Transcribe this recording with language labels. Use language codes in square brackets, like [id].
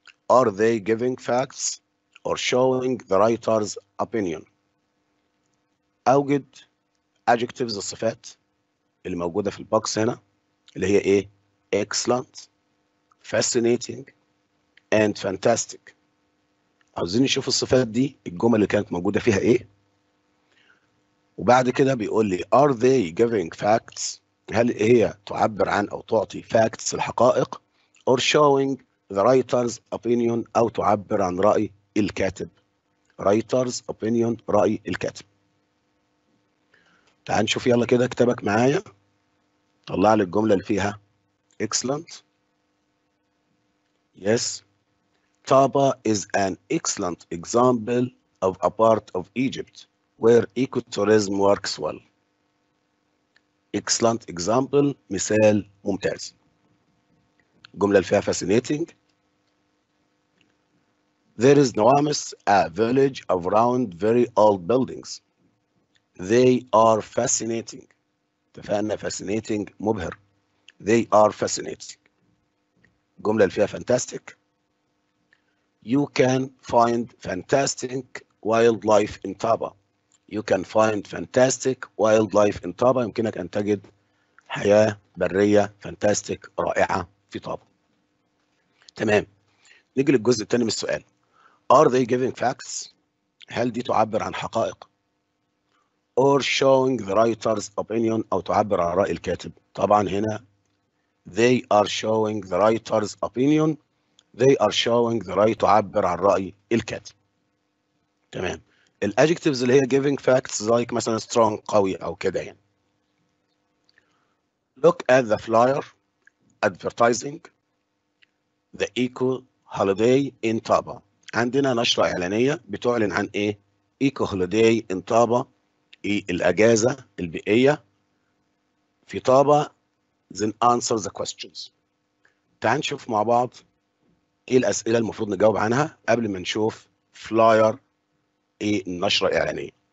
[en] Are they giving facts or showing the writer's opinion? [ar] أوجد adjectives, الصفات اللي موجودة في البوكس هنا, اللي هي إيه؟ [en] Excellent, fascinating, and fantastic. [ar] عاوزين نشوف الصفات دي, الجمل اللي كانت موجودة فيها إيه؟ وبعد كده بيقول لي [en] Are they giving facts؟ [ar] هل هي تعبر عن أو تعطي facts, الحقائق, [en] or showing the writer's opinion, [ar] أو تعبر عن رأي الكاتب. [en] Writer's opinion, [ar] رأي الكاتب. تعال نشوف يلا كده كتابك معايا. طلع لي الجملة اللي فيها excellent. [en] Yes, Taba is an excellent example of a part of Egypt where ecotourism works well. Excellent example, [ar] مثال ممتاز. جملة فيها fascinating. [en] There is Nuames, a village of round very old buildings. They are fascinating. [ar] اتفقنا [en] fascinating مبهر. They are fascinating. [ar] جملة فيها fantastic. [en] You can find fantastic wildlife in Taba. You can find fantastic wildlife in Taba. [ar] يمكنك أن تجد حياة برية fantastic, رائعة في Taba. تمام. نيجي للجزء الثاني من السؤال. [en] Are they giving facts? [ar] هل دي تعبر عن حقائق? [en] Or showing the writer's opinion, [ar] أو تعبر عن رأي الكاتب. طبعا هنا [en] they are showing the writer's opinion. They are showing the right, [ar] تعبر عن رأي الكاتب. تمام. الـ adjectives اللي هي [en] giving facts [ar] like مثلا strong, قوي أو كده يعني. [en] Look at the flyer advertising the eco holiday in Taba. [ar] عندنا نشرة إعلانية بتعلن عن إيه؟ [en] Eco holiday in Taba, [ar] إيه الأجازة البيئية في Taba. [en] Then answer the questions. [ar] تعال نشوف مع بعض ايه الاسئله المفروض نجاوب عنها قبل ما نشوف فلاير ايه النشره الاعلانيه.